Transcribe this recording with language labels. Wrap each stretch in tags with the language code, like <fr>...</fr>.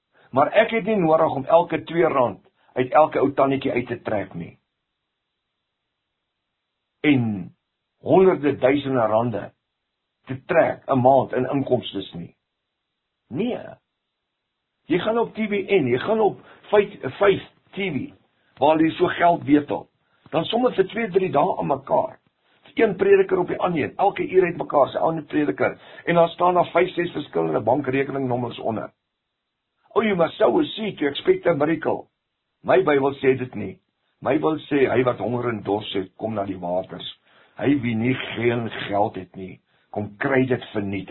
<af>Maar ek het nie nodig om elke 2 rand uit elke ou tannetjie uit te trek nie. En honderde duisende rande te trek 'n maand in inkomste nie. Nee. Jy gaan op TVN, jy gaan op 5 TV waar jy so geld betaal. Dan sommer vir 2-3 dae aan mekaar. Een prediker op die ander, elke uur uit mekaar se ander prediker en daar staan daar 5-6 verskillende bankrekeningnommers onder.</af> <en>Oh, you must sow a seed to expect a miracle.</en> <af>My Bybel sê dit nie. My Bybel sê, hy wat honger en dors het, kom na die waters. Hy wie nie geen geld het nie, kom kry dit verniet.</af>